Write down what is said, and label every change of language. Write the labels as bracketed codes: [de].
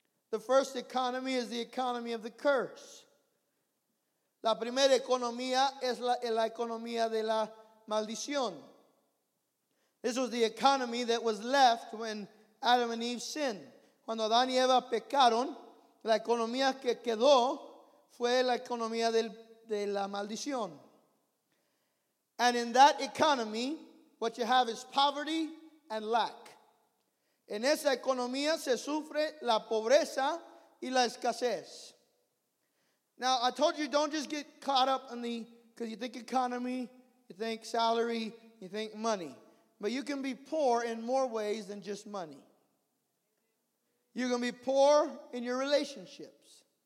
[en] The first economy is the economy of the curse. [es] La primera economía es la economía de la maldición. [en] This was the economy that was left when Adam and Eve sinned. [es] Cuando Adán y Eva pecaron, la economía que quedó fue la economía de la maldición. [en] And in that economy, what you have is poverty and lack. [es] En esa economía se sufre la pobreza y la escasez. [en] Now, I told you, don't just get caught up in the, because you think economy, you think salary, you think money. But you can be poor in more ways than just money. You're going to be poor in your relationships.